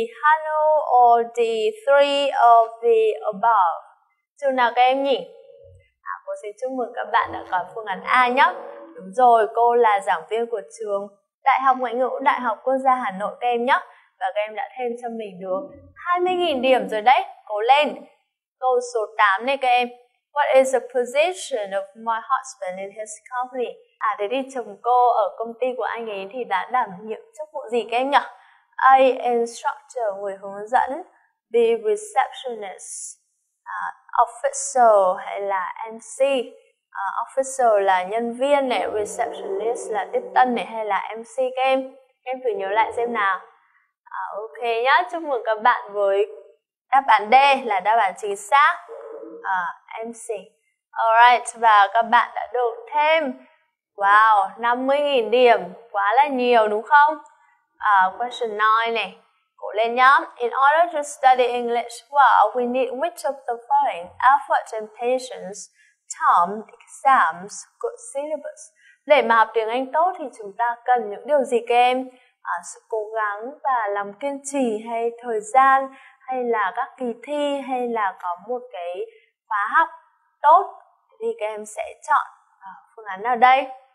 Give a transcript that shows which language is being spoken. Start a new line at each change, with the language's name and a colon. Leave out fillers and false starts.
English: Hano, or D. Three of the above?
Vietnamese: Trường nào các em nhỉ? À, cô xin chúc mừng các bạn đã có phương án A nhé. Đúng rồi, cô là giảng viên của trường Đại học Ngoại ngữ Đại học Quốc gia Hà Nội các em nhé. Và các em đã thêm cho mình được 20.000 điểm rồi đấy. Cố lên! Câu số 8 này các em.
English: What is the position of my husband in his company?
Vietnamese: À, thế thì chồng cô ở công ty của anh ấy thì đã đảm nhiệm chức vụ gì các em nhỉ? A. Instructor, người hướng dẫn. B. Receptionist, officer hay là MC. Officer là nhân viên này, receptionist là tiếp tân này hay là MC các em? Em thử nhớ lại xem nào. Ok nhá, chúc mừng các bạn với đáp án D là đáp án chính xác. MC. Alright, và các bạn đã được thêm, wow, 50.000 điểm, quá là nhiều đúng không? Question 9 này, cố lên nhá.
English: In order to study English well, we need which of the following? Effort and patience, time, exams, good syllabus.
Vietnamese: Để mà học tiếng Anh tốt thì chúng ta cần những điều gì các em? Sự cố gắng và lòng kiên trì hay thời gian hay là các kỳ thi hay là có một cái khóa học tốt thì các em sẽ chọn phương án nào đây?